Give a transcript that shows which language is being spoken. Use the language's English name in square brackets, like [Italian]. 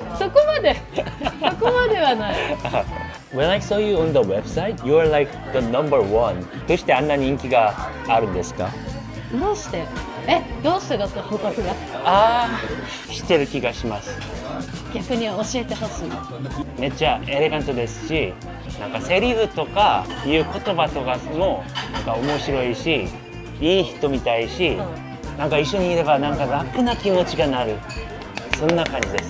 [Japanese] そこまで、そこまではない。 [English] When I saw you on the website, you are like the number one. [Japanese] どうしてあんな人気があるんですか？どうして？どうしてだったの？ああ、知ってる気がします。逆に教えてほしい。めっちゃエレガントですし、なんかセリフとかいう言葉とかもなんか面白いし、いい人みたいし、なんか一緒にいればなんか楽な気持ちがなる、そんな感じです